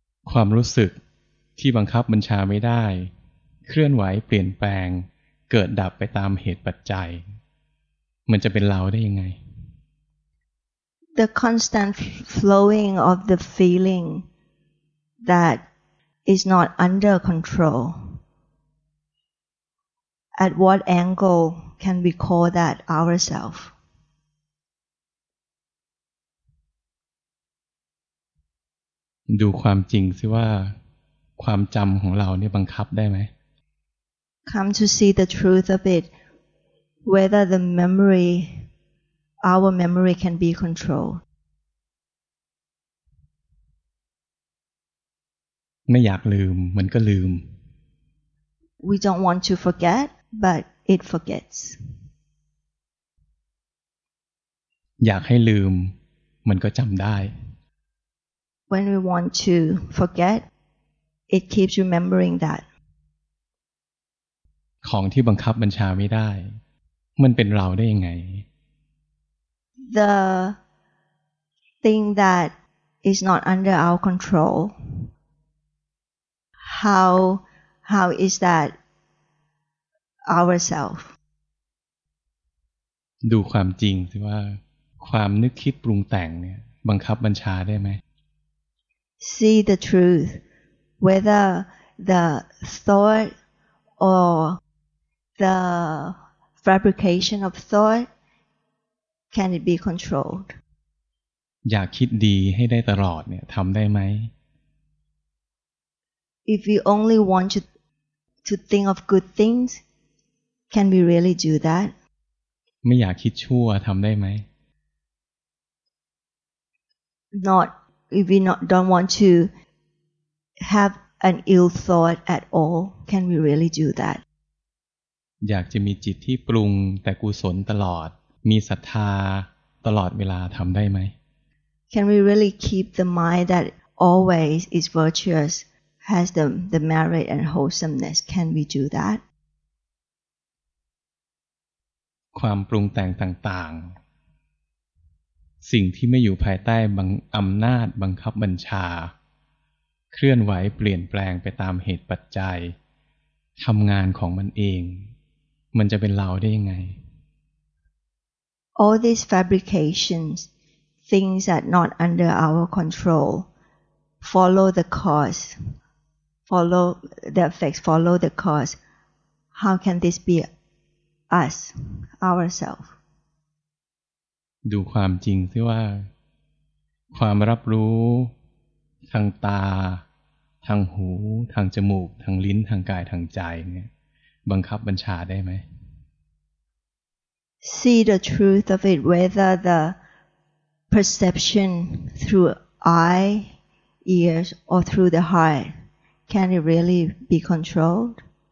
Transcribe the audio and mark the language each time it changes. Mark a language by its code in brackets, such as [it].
[th] ความรู้สึกที่บังคับบัญชาไม่ได้เคลื่อนไหวเปลี่ยนแปลงเกิดดับไปตามเหตุปัจจัยมันจะเป็นเราได้ยังไง [en] The constant flowing of the feeling that is not under control. At what angle can we call that ourself? [th] ดูความจริงซิว่าความจำของเราเนี่ยบังคับได้ไหม [en] Come to see the truth of it, whether the memory, our memory can be controlled. [th] ไม่อยากลืมมันก็ลืม [en] We don't want to forget. But it forgets. [th] อยากให้ลืมมันก็จำได้ [en] When we want to forget, it keeps remembering that. [th] ของที่บังคับบัญชาไม่ได้มันเป็นเราได้ยังไง [en] The thing that is not under our control, how is thatourself [th] ดูความจริงสิว่าความนึกคิดปรุงแต่งเนี่ยบังคับบัญชาได้ไหม [en] See the truth whether the thought or the fabrication of thought can it be controlled [th] อยากคิดดีให้ได้ตลอดเนี่ยทำได้ไหม [en] If we only want to think of good thingsCan we really do that? [th] ไม่อยากคิดชั่วทำได้ไหม [en] not if we not don't want to have an ill thought at all, can we really do that? [th] อยากจะมีจิตที่ปรุงแต่กุศลตลอดมีศรัทธาตลอดเวลาทำได้ไหม [en] Can we really keep the mind that always is virtuous, has the merit and wholesomeness? Can we do that? [th] ความปรุงแต่งต่างๆสิ่งที่ไม่อยู่ภายใต้อำนาจบังคับบัญชาเคลื่อนไหวเปลี่ยนแปลงไปตามเหตุปัจจัยทำงานของมันเองมันจะเป็นเราได้ยังไง [en] All these fabrications, things that not under our control, follow the cause, follow the effects, follow the cause. How can this be us, ourselves? [th] ดูความจริงซิว่าความรับรู้ทางตาทางหูทางจมูกทางลิ้นทางกายทางใจเนี่ยบังคับบัญชาได้ไหม [en] See the truth of it, whether the perception through eye, ears, or through the heart, can it really be controlled?